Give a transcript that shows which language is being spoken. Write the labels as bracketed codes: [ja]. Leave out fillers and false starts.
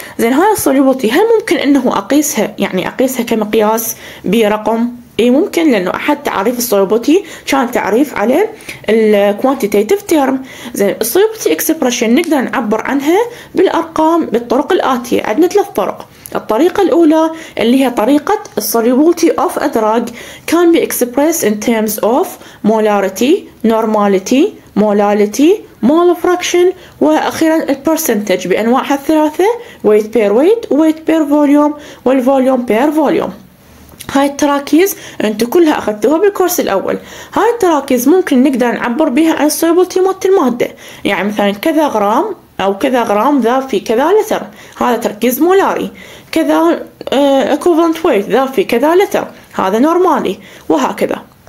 [ar] زين، هاي الصوليبولتي هل ممكن انه اقيسها، يعني اقيسها كمقياس برقم؟ اي ممكن، لانه احد تعريف الصوليبولتي كان تعريف على الكوانتيتيف تيرم. زين، الصوليبولتي اكسبرشن نقدر نعبر عنها بالارقام بالطرق الاتية، عندنا ثلاث طرق. الطريقة الأولى اللي هي طريقة [en] solubility of a drug can be expressed in terms of molarity, normality, molality, mole fraction وأخيرا percentage [ar] بأنواعها الثلاثة [en] weight per weight, weight per volume والvolume per volume. [ar] هاي التراكيز انتو كلها اخذتوها بالكورس الاول. هاي التراكيز ممكن نقدر نعبر بها عن solubility مالت المادة، يعني مثلا كذا غرام او كذا غرام ذا في كذا لتر، هذا تركيز مولاري. كذا equivalent weight ذا في كذا لتر، هذا نورمالي، وهكذا.